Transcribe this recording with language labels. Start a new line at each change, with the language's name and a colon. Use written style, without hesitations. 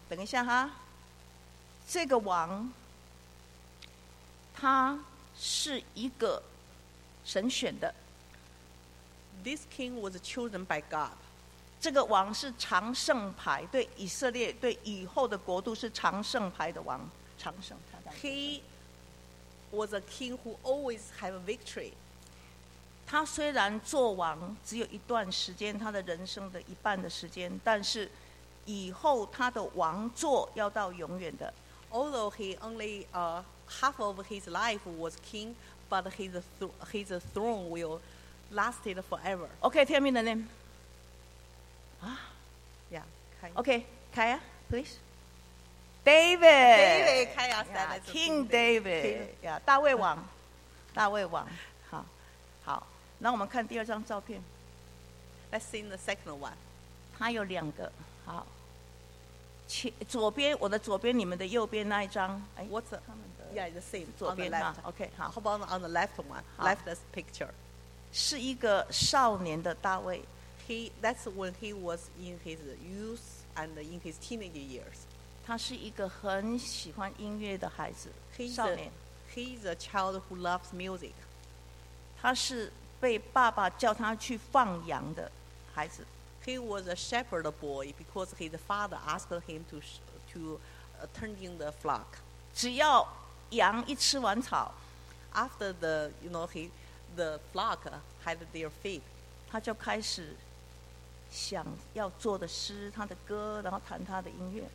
Chinese: 等一下哈。这个王，他。是一个神选的。
English: This king was chosen by God.
Chinese: 这个王是长胜牌，对以色列，对以后的国度是长胜牌的王。长胜。
English: He was a king who always have a victory.
Chinese: 他虽然做王只有一段时间，他的人生的一半的时间，但是以后他的王座要到永远的。
English: Although he only half of his life was king, but his throne will last it forever. Okay, tell me the name. Yeah, Kaya. Okay, Kaya, please. David. David, Kaya said that. King David. Yeah,
Chinese: 大卫王，大卫王。好，好。那我们看第二张照片。
English: Let's see the second one.
Chinese: 他有两个。好。左边，我的左边，你们的右边那一张。
English: What's the... Yeah, the same.
Chinese: 左边的，OK， 好。
English: How about on the left one? Left this picture.
Chinese: 是一个少年的大卫。
English: He that's when he was in his youth and in his teenage years.
Chinese: 他是一个很喜欢音乐的孩子。少年。
English: He's a child who loves music.
Chinese: 他是被爸爸叫他去放羊的孩子。
English: He was a shepherd boy because his father asked him to tend in the flock.
Chinese: 只要羊一吃完草
English: after the you know he the flock had their feed
Chinese: 他就开始想要做的诗他的歌然后弹他的音乐